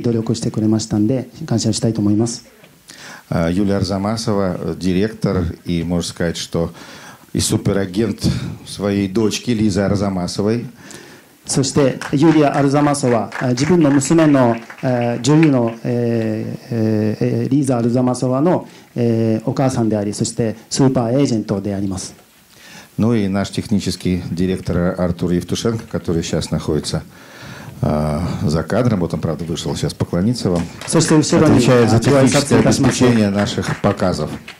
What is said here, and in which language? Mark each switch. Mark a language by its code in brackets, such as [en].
[ja] そして特にルボフィーさんに感謝したい理由は本日来日していただいた本当に偉大な天才であるロシアの監督がいらしたことのために努力してくれましたので感謝したいと思います。 [ru] Юлия Арзамасова, директор и, можно сказать, что и суперагент своей дочки Лизы Арзамасовой. [ja] そして、ユリア・アルザマソワ、自分の娘の女優のリーザ・アルザマソワのお母さんであり、そしてスーパーエージェントであります。 [ru] Ну и наш технический директор Артур Евтушенко, который сейчас находится за кадром, вот он, правда, вышел сейчас поклониться вам, отвечает за техническое обеспечение наших показов.